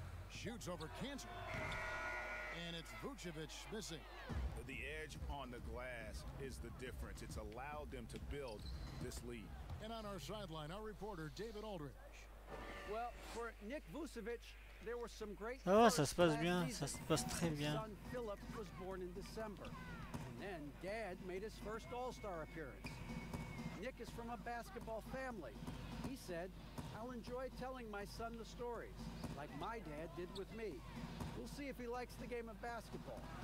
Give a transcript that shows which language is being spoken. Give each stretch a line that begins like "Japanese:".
English: Shoots over Cantor. And it's Vucevic missing. The edge on the glass is the difference. It's allowed them to build this lead. And on our sideline, our reporter, David Aldridge. Well, for Nick Vucevic, there were some great.
French: Oh, ça se passe bien, ça se passe très bien.
English: Son Philip was born in December, and then Dad made his first All-Star appearance. Nick is from a basketball family. He said, "I'll enjoy telling my son the stories, like my dad did with me. We'll see if he likes the game of basketball.